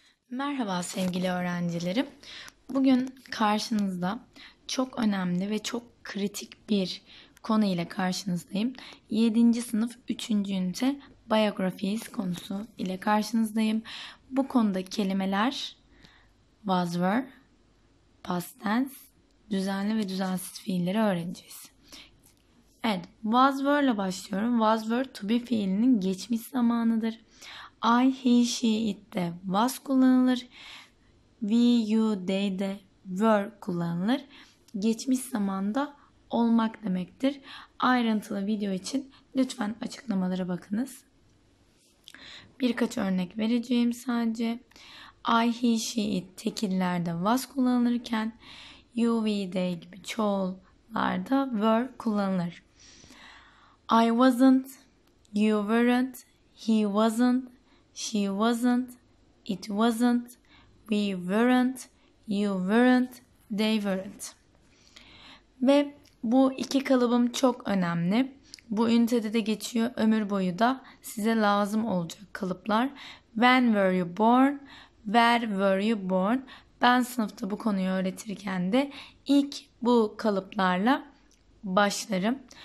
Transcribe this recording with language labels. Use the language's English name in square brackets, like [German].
[Turkish] Merhaba sevgili öğrencilerim. Bugün karşınızda çok önemli ve çok kritik bir konu ile karşınızdayım. 7. sınıf 3. ünite biyografiyiz konusu ile karşınızdayım. Bu konuda kelimeler was were, past tense, düzenli ve düzensiz fiilleri öğreneceğiz. Evet, was were ile başlıyorum. Was were to be fiilinin geçmiş zamanıdır. I, he, she, it'te was kullanılır. We, you, they'de were kullanılır. Geçmiş zamanda olmak demektir. Ayrıntılı video için lütfen açıklamalara bakınız. Birkaç örnek vereceğim sadece. I, he, she, it tekillerde was kullanılırken you, we, they gibi çoğullarda were kullanılır. [English] I wasn't, you weren't, he wasn't, she wasn't, it wasn't, we weren't, you weren't, they weren't. [Turkish] Ve bu iki kalıbım çok önemli. Bu ünitede de geçiyor, ömür boyu da size lazım olacak kalıplar. [English] When were you born? Where were you born? [Turkish] Ben sınıfta bu konuyu öğretirken de ilk bu kalıplarla başlarım.